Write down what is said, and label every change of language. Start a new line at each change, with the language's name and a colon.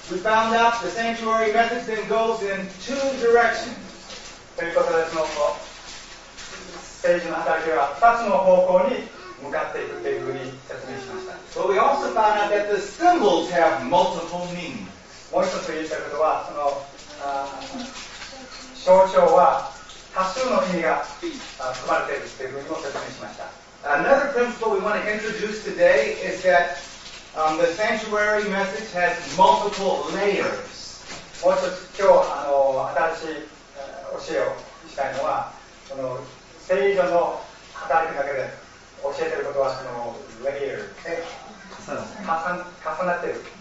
English: We found out the sanctuary method then goes in two directions.
Japanese: ということで、その聖所の働きは2つの方向に向かっていくというふうに説明しました。
English: But we also found out that the symbols have multiple meanings.
Japanese: もう一つ言いたいことは、その象徴は多数の意味が含まれているというふうにも説明しました。
English: Another principle we want to introduce today is that the sanctuary message has multiple layers.
Japanese: もう一つ今日新しい教えをしたいのは、その聖所の働きだけで教えていることは、そのレイヤー、重なっている。